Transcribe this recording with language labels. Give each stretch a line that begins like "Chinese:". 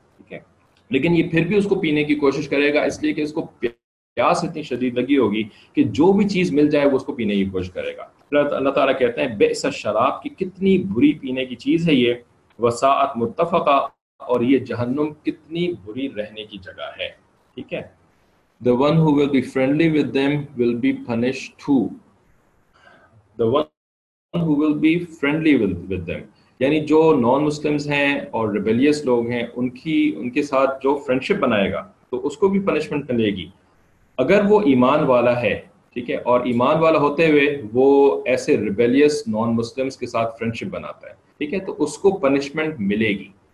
Urdu: ٹھیک ہے, لیکن یہ پھر بھی اس کو پینے کی کوشش کرے گا, اس لیے کہ اس کو پیاس اتنی شدید لگی ہوگی کہ جو بھی چیز مل جائے وہ اس کو پینے کی کوشش کرے گا. اللہ تعالیٰ کہتے ہیں
Arabic: بئس الشراب,
Urdu: کی کتنی بری پینے کی چیز ہے یہ,
Arabic: وساعت مرتفقہ,
Urdu: اور یہ جہنم کتنی بری رہنے کی جگہ ہے.
English: ٹھیک ہے, the one who will be friendly with them will be punished too. Who will be friendly with them.
Urdu: یعنی جو نان مسلمز ہیں اور ریبیلیس لوگ ہیں ان کے ساتھ جو فرینڈشپ بنائے گا تو اس کو بھی پنشمنٹ ملے گی. اگر وہ ایمان والا ہے, ٹھیک ہے, اور ایمان والا ہوتے ہوئے وہ ایسے ریبیلیس نان مسلمز کے ساتھ فرینڈشپ بناتا ہے, ٹھیک ہے, تو اس کو پنشمنٹ ملے گی.